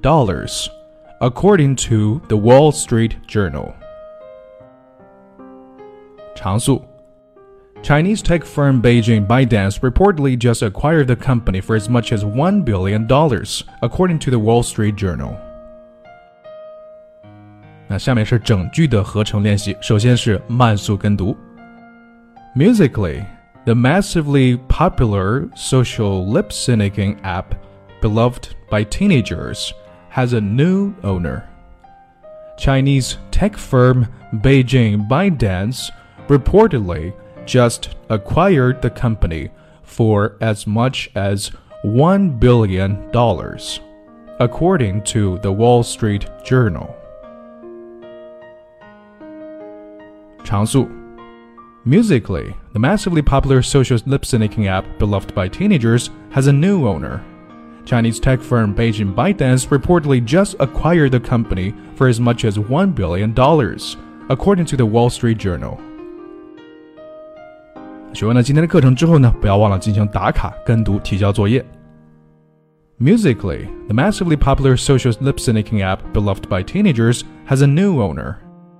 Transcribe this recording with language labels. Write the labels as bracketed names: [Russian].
[English] According to the Wall Street Journal. [Chinese] 长速 [English] Chinese tech firm Beijing ByteDance reportedly just acquired the company for as much as $1 billion, according to the Wall Street Journal. [Chinese] 那下面是整句的合成练习，首先是慢速跟读。 [English] Musical.ly, the massively popular social lip-syncing app beloved by teenagers has a new owner. Chinese tech firm Beijing ByteDance reportedly just acquired the company for as much as $1 billion, according to the Wall Street Journal. [Chinese] 长速。 [English] Musical.ly, the massively popular social lip-syncing app beloved by teenagers has a new owner. Chinese tech firm Beijing ByteDance reportedly just acquired the company for as much as $1 billion, according to the Wall Street Journal. [Chinese] 学完了今天的课程之后呢，不要忘了进行打卡、跟读、提交作业。 [English] Musical.ly, the massively popular social lip-syncing app beloved by teenagers has a new owner.